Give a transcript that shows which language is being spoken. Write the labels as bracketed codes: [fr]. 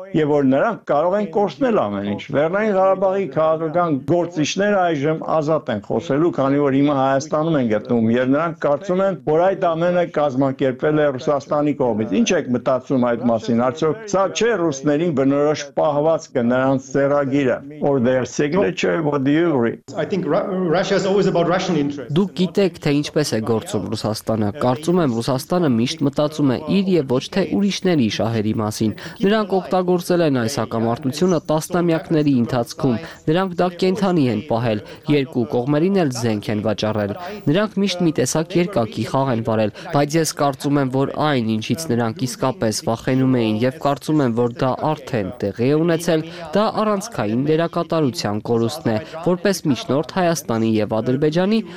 [hy] եւ որ նրանք կարող են կորցնել ամեն ինչ։ Լեռնային Ղարաբաղի քաղաքական գործիչները այժմ ազատ են խոսելու, քանի որ հիմա Հայաստանում են գտնվում, եւ նրանք կարծում են, որ այդ ամենը կազմակերպել է Ռուսաստանի կողմից։ Ինչ եք մտածում այդ մասին, արդյոք սա չէ ռուսներին բնորոշ պահվածքը, նրանց ծերագիրը, [en] or their signature, what do you agree? I think Russia is always about Russian interests. [hy] Դուք գիտեք, թե ինչպես է գործում Ռուսաստանը։ Կարծում եմ, Ռուսաստանը միշտ մտածում է իր եւ ոչ թե ուրիշների շահերի մասին։ Նրանք օգտագործել են այս հակամարտությունը տասնամյակների ընթացքում։ Նրանք դա կենթանի են պահել, երկու կողմերին էլ զենք են վաճառել։ Նրանք միշտ մի տեսակ երկակի խաղ են վարել, բայց ես կարծում եմ, որ այն, ինչից նրանք իսկապես վախենում էին եւ կարծում եմ, որ դա արդեն տեղի է ունեցել, դա առանցքային դերակատարության կորուստն է, որպես միջնորդ Հայաստանի եւ Ադրբեջանի,